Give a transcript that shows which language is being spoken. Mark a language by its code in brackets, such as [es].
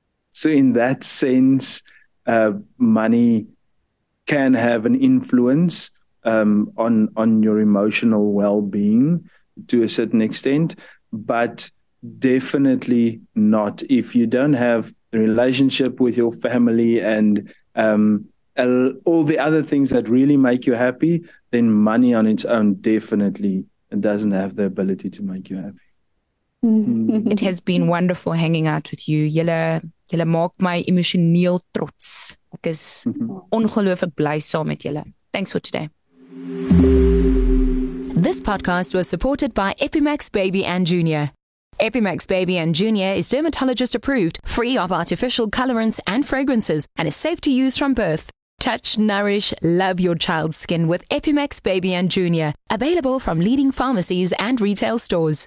[en] So in that sense, money can have an influence on your emotional well-being to a certain extent, but definitely not if you don't have a relationship with your family and all the other things that really make you happy. Then money on its own definitely doesn't have the ability to make you happy. It has been wonderful hanging out with you. [af] Jylle maak my emosioneel trots. Ek is ongelooflik bly saam met jylle. [en] Thanks for today. This podcast was supported by Epimax Baby and Junior. Epimax Baby and Junior is dermatologist approved, free of artificial colorants and fragrances, and is safe to use from birth. Touch, nourish, love your child's skin with Epimax Baby and Junior. Available from leading pharmacies and retail stores.